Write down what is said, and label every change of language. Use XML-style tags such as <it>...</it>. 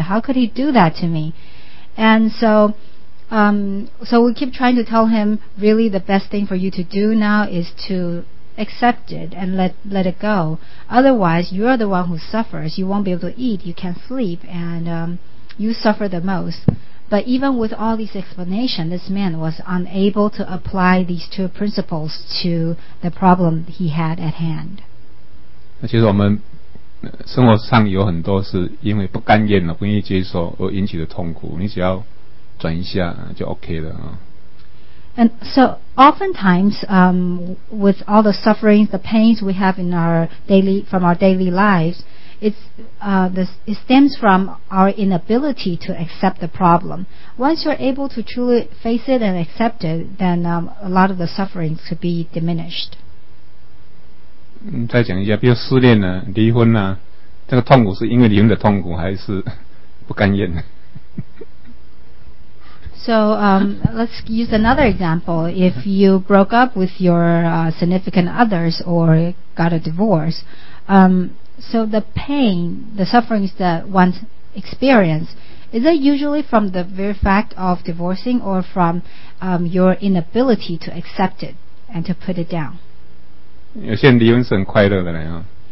<en>How could he do that to me? And so we keep trying to tell him, really, the best thing for you to do now is to accept it and let it go. Otherwise, you're the one who suffers. You won't be able to eat, you can't sleep, and you suffer the most. But even with all these explanations, this man was unable to apply these two principles to the problem he had at hand.</en> <zh>其实我们生活上有很多是因为不甘愿不愿意接受而引起的痛苦，你只要转一下就 OK 了。</zh> <en>And so oftentimes, with all the sufferings, the pains we have in our daily, from our daily lives, it stems from our inability to accept the problem. Once you're able to truly face it and accept it, then, a lot of the sufferings could be diminished.</en> <zh>再讲一下，比如失恋啊，离婚啊，这个痛苦是因为灵的痛苦，还是不甘愿？</zh> <en>So, let's use another example. If you broke up with your significant others or got a divorce, so the pain, the sufferings that one experiences, is it usually from the very fact of divorcing or from your inability to accept it and to put it down?</en> <zh>有些人离婚是很快乐的呢。</zh>